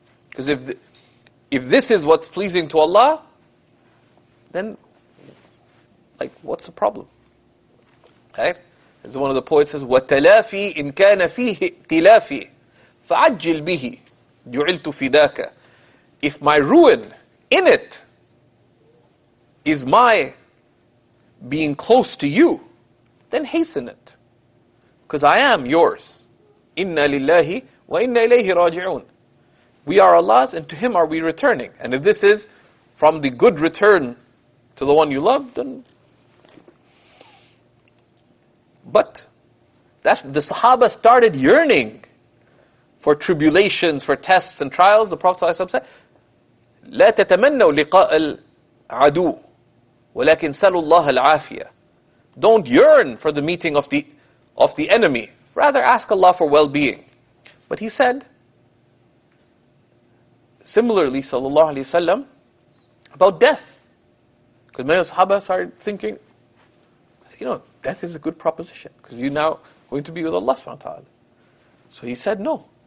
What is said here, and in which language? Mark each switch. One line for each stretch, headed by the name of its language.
English: Because if this is what's pleasing to Allah, then what's the problem? Okay. As one of the poets says,
Arabic: وَتَلَافِي إِنْ كَانَ فِيهِ تِلَافِي فَعَجِّلْ بِهِ جُعِلْتُ فِدَاكَ.
English: If my ruin in it is my being close to You, then hasten it. Because I am Yours.
Arabic: إِنَّا لِلَّهِ وَإِنَّا إِلَيْهِ رَاجِعُونَ.
English: We are Allah's and to Him are we returning. And if this is from the good return to the one you love, then... But that's the Sahaba started yearning for tribulations, for tests and trials. The Prophet ﷺ said,
Arabic: لا تتمنوا لقاء العدو ولكن سلوا الله العافية.
English: Don't yearn for the meeting of the enemy. Rather ask Allah for well-being. But he said, similarly, sallallahu alayhi wa sallam, about death. Because many of the sahaba started thinking, you know, death is a good proposition, because you're now going to be with Allah subhanahu wa ta'ala. So he said, no.